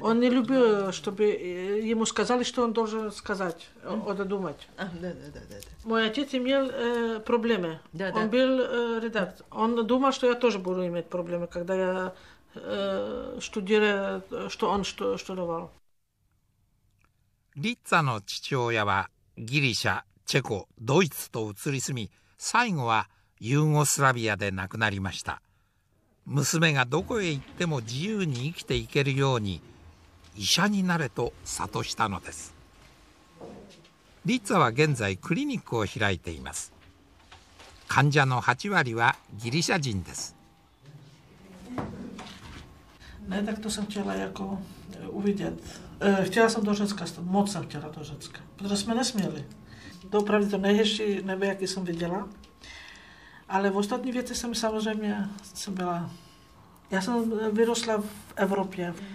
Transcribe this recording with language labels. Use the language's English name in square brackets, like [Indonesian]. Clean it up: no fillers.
[Russian] Он не любил, чтобы ему сказали, что он должен сказать, додумать. А, да, да, да, да. Мой отец имел проблемы. Да, он был редактор. Он думал, что я тоже буду иметь проблемы, когда я штудировал, что он штудировал. [Japanese] Лица の父親はギリシャ、チェコ、ドイツと移り住み、最後はユーゴスラビアで亡くなりました。娘がどこへ行っても自由に生きていけるように、医者になれと諭したのです。リッツァは現在クリニックを開いています。患者の8割はギリシャ人です。 [Czech] Ne, tak to jsem chtěla jako uvidět. Chtěla jsem do Řecka, moc jsem chtěla do Řecka, protože jsme nesměli. To opravdu to nejhezčí nebe, jaký jsem viděla. Ale v ostatní věci jsem samozřejmě jsem byla... Já jsem vyrostla v Evropě.